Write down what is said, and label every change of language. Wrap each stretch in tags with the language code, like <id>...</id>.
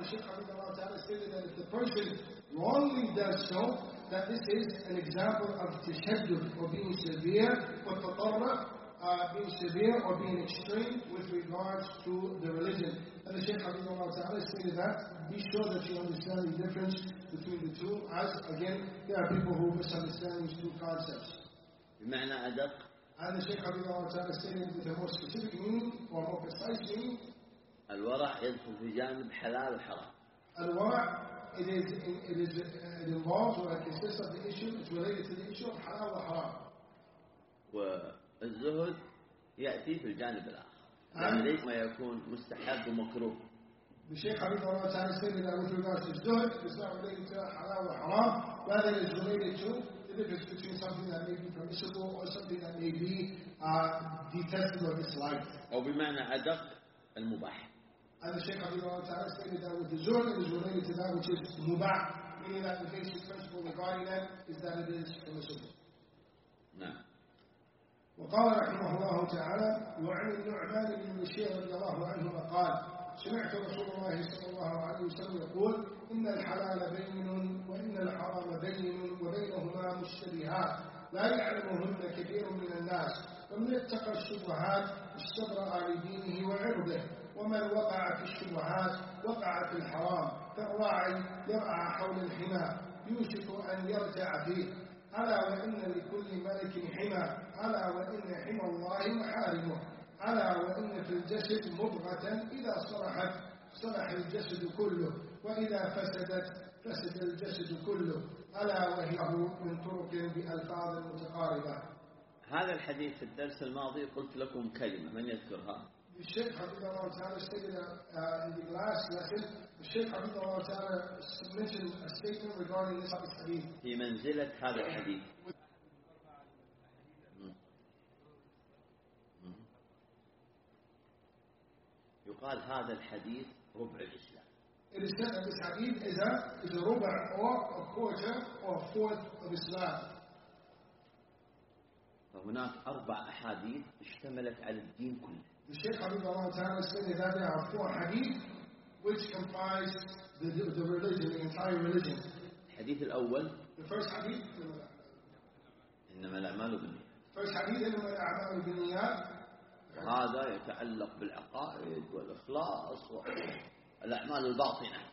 <en>The Shaykh Habib Allah Ta'ala stated that if the person wrongly does so, that this is an example of tashaddud, or being severe, or tatarra, being severe or being extreme with regards to the religion. And the Shaykh Habib Allah Ta'ala stated that, be sure that you understand the difference between the two, as again, there are people who misunderstand these two concepts. And the Shaykh Habib Allah Ta'ala stated with a more specific meaning, or more precise meaning,</en> <ar>الورع يدخل في جانب حلال وحرام.</ar> <en>الورع it involves or it consists of the issue, it's related to the issue of حلال وحرام.</en> <ar>والزهد يأتي في الجانب الآخر. يعني ليس ما يكون مستحب ومكروه.</ar> <en>The Shaykh Habib Allah Ta'ala stated that with regards to الزهد, it's not related to حلال وحرام, rather it's related to the difference between something that may be permissible or something that may be detested or disliked.</en> <ar>أو بمعنى أدق المباح.</ar> <en>And the Shaykh Abdullah Ta'ala stated that with the zuhd it is related to that which is mubah, meaning that the basic principle regarding that is that it is permissible. No.</en> <ar>وقال رحمه الله تعالى وعن النعمان بن بشير رضي الله عنهما قال سمعت رسول الله صلى الله عليه وسلم يقول إن الحلال بين وإن الحرام بين وبينهما مشتبهات لا يعلمهن كثير من الناس فمن اتقى الشبهات استبرأ لدينه وعرضه ومن وقع في الشبهات وقع في الحرام كالراعي يرعى حول الحمى يوشك ان يرجع فيه الا وان لكل ملك حمى الا وان حمى الله محارمه الا وان في الجسد مضغه اذا صلحت صلح الجسد كله واذا فسدت فسد الجسد كله الا وهي من طرق بالفاظ متقاربه. هذا الحديث في الدرس الماضي قلت لكم كلمة من يذكرها؟</ar> <en>الشيخ حبيب الله تعالى stated in the last lesson الشيخ حبيب الله تعالى mentioned a statement regarding this hadith</en> <ar>في منزلة هذا الحديث. يقال هذا الحديث ربع الإسلام.</ar> <en>It is said that this hadith is a ربع or a quarter or a fourth of Islam.</en> <ar>هناك أربع أحاديث اشتملت على الدين كله.</ar> <en>The Shaykh Habib Allah Ta'ala said that there are four hadith which comprise the religion, the entire religion.</en> <ar>الحديث الأول.</ar> <en>The first hadith.</en> <ar>إنما الأعمال بالنيات.</ar> <en>First hadith</en> <ar>إنما الأعمال بالنيات. هذا يتعلق بالعقائد والإخلاص والأعمال الباطنة.</ar>